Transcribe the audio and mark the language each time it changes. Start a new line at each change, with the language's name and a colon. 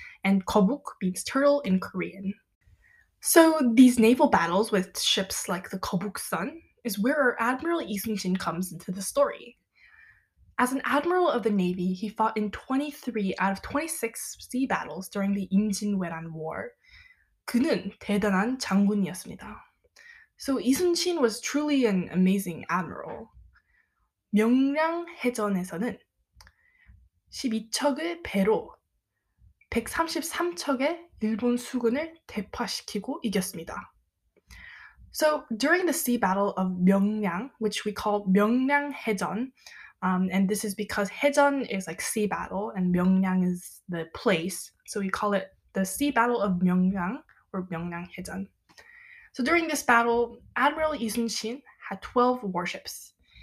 English: And 거북 means turtle in Korean. So these naval battles with ships like the 거북선 is where Admiral Easington comes into the story. As an admiral of the Navy, he fought in 23 out of 26 sea battles during the Imjin Weran War.
Korean: 그는 대단한 장군이었습니다.
English: So Easington was truly an amazing admiral.
Korean: 명량 해전에서는 12척의 배로 133척의 일본 수군을 대파시키고 이겼습니다.
English: So during the sea battle of Myeongryang, which we call Myeongryang Haejeon, and this is because Haejeon is like sea battle and Myeongryang is the place, so we call it the sea battle of Myeongryang or Myeongryang Haejeon. So during this battle, Admiral Easington had 12 warships.